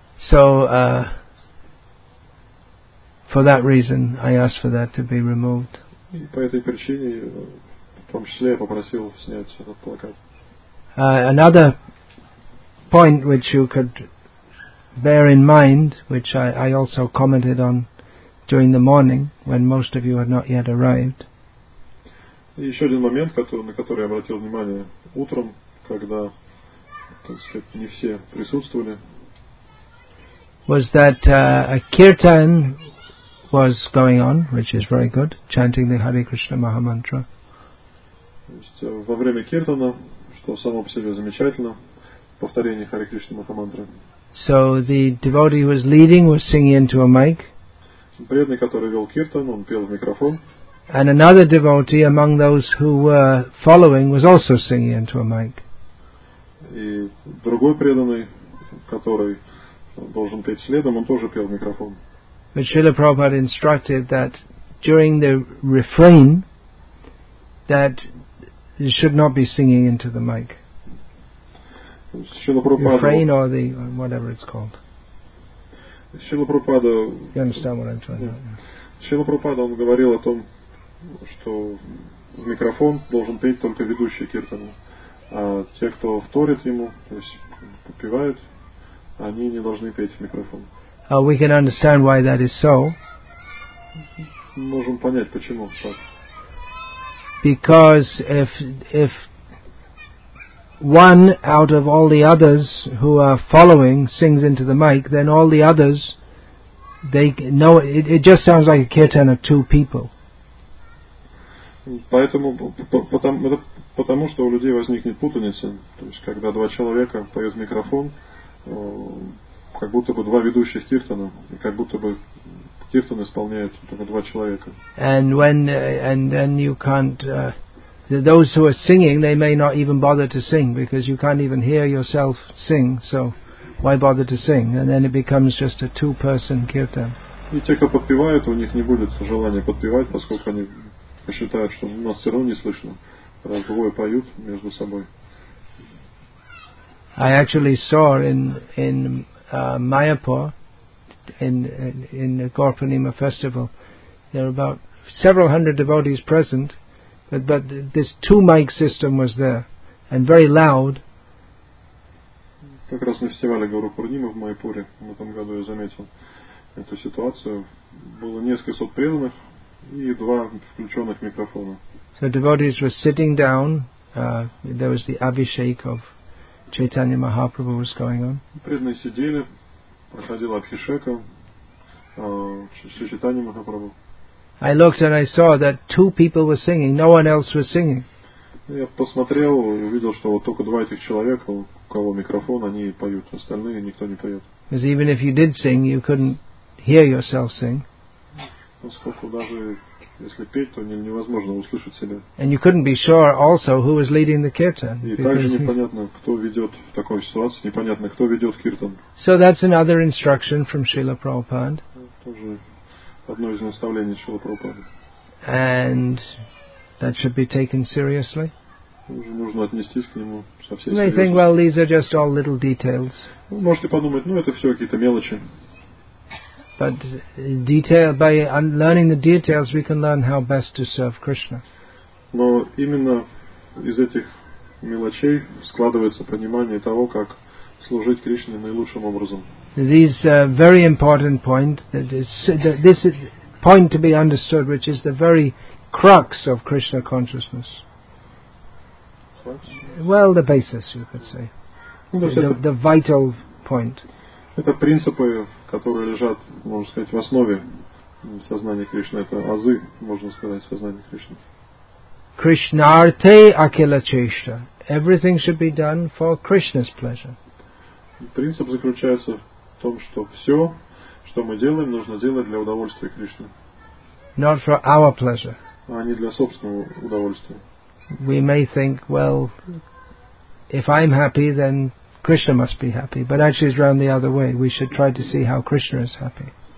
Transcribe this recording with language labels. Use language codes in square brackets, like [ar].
[en] So, for that reason, I asked for that to be removed. [ru] И по этой причине, в том числе, я попросил снять этот плакат. [en] Another point which you could bear in mind, which I also commented on during the morning, when most of you had not yet arrived. [ru] Еще один момент, на который я обратил внимание утром, когда, так сказать, не все присутствовали. [en] Was that a kirtan was going on, which is very good, chanting the Hare Krishna Maha Mantra. [ru] То есть во время киртана, что само по себе замечательно, повторение Hare Krishna Maha Mantra. [en] So the devotee who was leading was singing into a mic. [ru] Преданный, который вел киртан, он пел в микрофон. [en] And another devotee among those who were following was also singing into a mic. [ru] И другой преданный, который должен петь следом, он тоже пел в микрофон. [en] But Srila Prabhupada instructed that during the refrain that you should not be singing into the mic. Refrain or the whatever it's called. Srila Prabhupada, you understand what I'm trying to say? [ru] Srila Prabhupada, он говорил о том, что в микрофон должен петь только ведущий киртана, А те, кто вторит ему, то есть попивают, они не должны петь в микрофон. [en] We can understand why that is so. [ru] Можем понять, почему так. [en] Because if one out of all the others who are following sings into the mic, then all the others, they know it. It just sounds like a kirtan of two people. [ru] Поэтому потому что у людей возникнет путаница, то есть когда два человека поют микрофон, как будто бы два ведущих киртана, и как будто бы киртан исполняет только два человека. [en] And when and then you can't. Those who are singing, they may not even bother to sing because you can't even hear yourself sing. So, why bother to sing? And then it becomes just a two-person kirtan. [ru] И те, кто подпевает, у них не будет желания подпевать, поскольку они считают, что нас все равно не слышно. Раз двое поют между собой. [en] I actually saw in Mayapur, in the Gaurapurnima festival, there were about several hundred devotees present. But this two mic system was there, and very loud. [ru] Как раз на фестивале Гаурапурнима в Майпуре в этом году я заметил эту ситуацию. Было несколько сот преданных и два включенных микрофона. [en] So devotees were sitting down. There was the Abhishek of Chaitanya Mahaprabhu was going on. [ru] Преданные сидели, проходила Абхишека, Чайтанья Махапрабху. [en] I looked and I saw that two people were singing. No one else was singing. [ru] Я посмотрел и увидел, что вот только два этих человека, у кого микрофон, они поют. Остальные никто не поет. [en] Because even if you did sing, you couldn't hear yourself sing. [ru] Поскольку даже если петь, то невозможно услышать себя. [en] And you couldn't be sure also who was leading the kirtan. [ru] И также непонятно, кто ведет в такой ситуации. Непонятно, кто ведет киртан. [en] So that's another instruction from Srila Prabhupada. [ru] Одно из наставлений Шрилы Прабхупады. [en] And that should be taken seriously. [ru] Уже нужно отнестись к нему со всей серьезностью. [en] Think, well, these are just all little details. [ru] Вы можете подумать, ну это все какие-то мелочи. [en] But detail, by learning the details, we can learn how best to serve Krishna. [ru] Но именно из этих мелочей складывается понимание того, как служить Кришне наилучшим образом. [en] These very important point that is that this is point to be understood, which is the very crux of Krishna consciousness. Crux? Well, the basis, you could say, the vital point. [ru] Это принципы, которые лежат, можно сказать, в основе сознания Кришны. Это азы, можно сказать, сознания Кришны. [sa] Krishnarthe akila cheshta. [en] Everything should be done for Krishna's pleasure. [ru] Принцип заключается в том, что все, что мы делаем, нужно делать для удовольствия Кришны. [en] Not for our pleasure. [ru] А не для собственного удовольствия. [en] We may think, well, if I'm happy, then Krishna must be happy. But actually, it's round the other way. We should try to see how Krishna is happy.